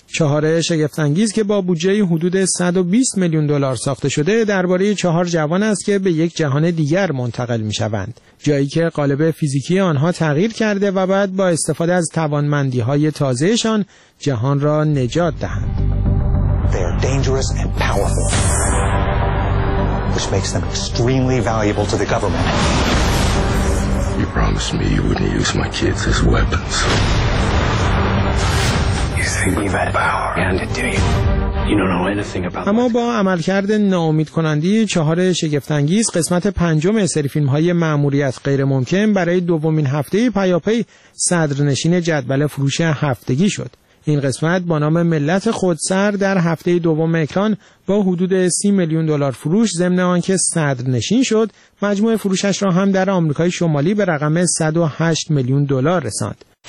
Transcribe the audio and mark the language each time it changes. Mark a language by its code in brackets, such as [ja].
[fa] چهار شگفت‌انگیز که با بودجه حدود 120 میلیون دلار ساخته شده درباره چهار جوان است که به یک جهان دیگر منتقل می‌شوند، جایی که قالب فیزیکی آنها تغییر کرده و بعد با استفاده از توانمندی‌های تازه‌شان جهان را نجات دهند. [en] They are dangerous and powerful, which makes them extremely valuable to the government. You promised me you wouldn't use my kids as weapons. You think we've had power, and do you? [fa] اما با عملکرد ناامید کننده چهار شگفت‌انگیز قسمت پنجم سری فیلم‌های مأموریت غیرممکن برای دومین هفته پیاپی صدرنشین جدول فروش هفتگی شد. این قسمت با نام ملت خودسر در هفته دوم اکران با حدود 30 میلیون دلار فروش ضمن آنکه صدرنشین شد، مجموع فروشش را هم در آمریکای شمالی به رقم 108 میلیون دلار رساند.